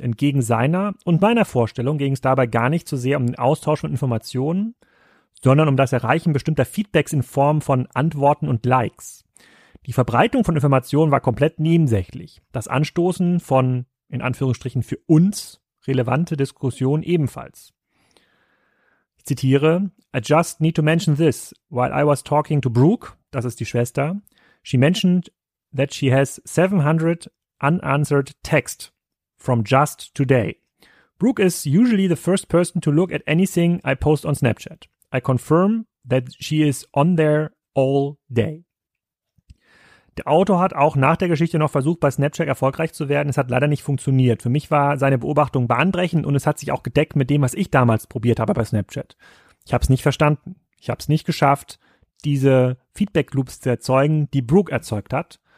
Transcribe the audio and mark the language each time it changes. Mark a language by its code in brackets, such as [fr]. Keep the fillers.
[de] Entgegen seiner und meiner Vorstellung ging es dabei gar nicht so sehr um den Austausch von Informationen, sondern um das Erreichen bestimmter Feedbacks in Form von Antworten und Likes. Die Verbreitung von Informationen war komplett nebensächlich. Das Anstoßen von, in Anführungsstrichen, für uns relevante Diskussionen ebenfalls. Ich zitiere, [en] I just need to mention this. While I was talking to Brooke, [de] das ist die Schwester, [en] she mentioned that she has 700 unanswered texts from just today. Brooke is usually the first person to look at anything I post on Snapchat. I confirm that she is on there all day. [de] Der Autor hat auch nach der Geschichte noch versucht, bei Snapchat erfolgreich zu werden. Es hat leider nicht funktioniert. Für mich war seine Beobachtung bahnbrechend und es hat sich auch gedeckt mit dem, was ich damals probiert habe bei Snapchat. Ich habe es nicht verstanden. Ich habe es nicht geschafft, diese Feedback Loops zu erzeugen, die Brooke erzeugt hat.